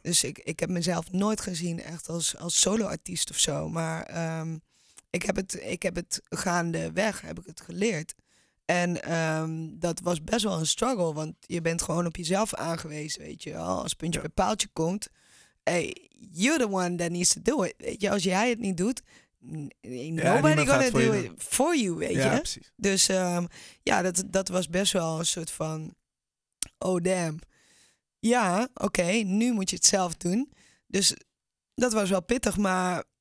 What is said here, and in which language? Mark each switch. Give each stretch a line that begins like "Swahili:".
Dutch: Dus ik heb mezelf nooit gezien echt als solo-artiest of zo. Maar ik heb het gaandeweg heb ik het geleerd. En dat was best wel een struggle. Want je bent gewoon op jezelf aangewezen, weet je wel. Als puntje bij paaltje komt.
English: Hey, you're the one that needs to do it.
Dutch: Weet je, als jij het niet doet...
English: Nobody gonna do it for you,
Dutch: weet je? Ja, precies. Dus dat was best wel een soort van...
English: Oh, damn.
Dutch: Ja, oké, nu moet je het zelf doen. Dus dat was wel pittig, maar...